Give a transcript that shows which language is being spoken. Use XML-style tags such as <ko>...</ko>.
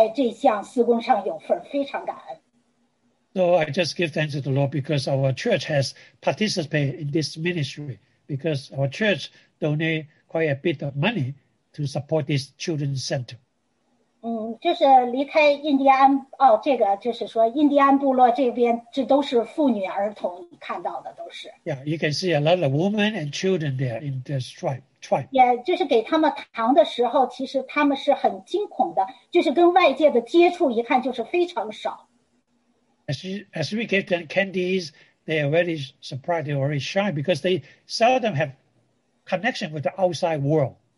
<zh>所以很感恩，我是很感恩亲自见证了我们教会在这项事工上有份，非常感恩。</zh> <en>So I just give thanks to the Lord because our church has participated in this ministry, because our church donated quite a bit of money to support this children's center.</en> <zh>就是离开印第安部落这边，这都是妇女儿童看到的都是。</zh> <en>Yeah, you can see a lot of women and children there in the tribe.</en> <zh>也就是给他们糖的时候，其实他们是很惊恐的，就是跟外界的接触一看就是非常少。</zh> <en>As we gave them candies, they are already surprised, they are already shy because they seldom have connection with the outside world.</en>